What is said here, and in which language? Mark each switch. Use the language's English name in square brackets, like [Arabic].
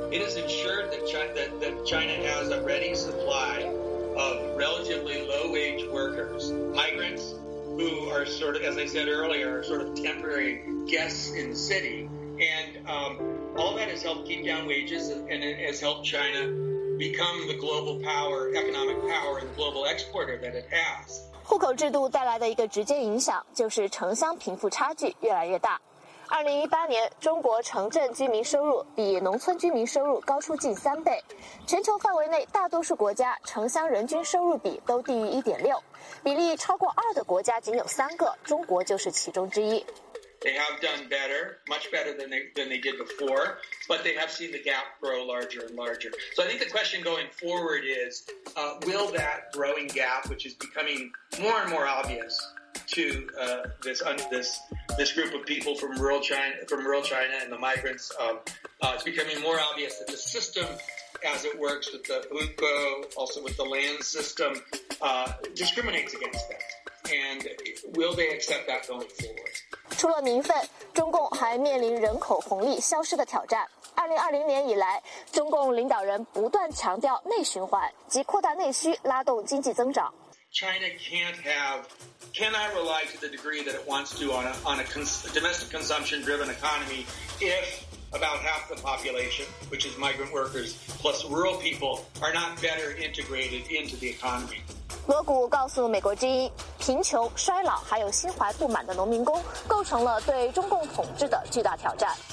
[English] It has ensured that China has a ready supply of relatively low wage workers, migrants who are sort of, as I said earlier, sort of temporary guests in the city. And all that has helped keep down wages and it has helped China become the global power, economic power, and global exporter that it has. [Chinese] 户口制度带来的一个直接影响就是城乡贫富差距越来越大。 2018年，中国城镇居民收入比农村居民收入高出近3倍，全球范围内大多数国家城乡人均收入比都低于1.6，比例超过2的国家仅有3个，中国就是其中之一。 [English] They have done better, much better than they did before, but they have seen the gap grow larger and larger. So I think the question going forward is, will that growing gap, which is becoming more and more obvious to this group of people from rural China and the migrants, it's becoming more obvious that the system as it works with the hukou, also with the land system, discriminates against them. And will they accept that going forward? [Chinese] 除了民愤，中共还面临人口红利消失的挑战。 2020年以来，中共领导人不断强调内循环，即扩大内需，拉动经济增长。 [English] China cannot rely to the degree that it wants to on a domestic consumption driven economy if about half the population, which is migrant workers plus rural people, are not better integrated into the economy. [Chinese] 罗谷告诉美国之音，贫穷、衰老还有心怀不满的农民工构成了对中共统治的巨大挑战。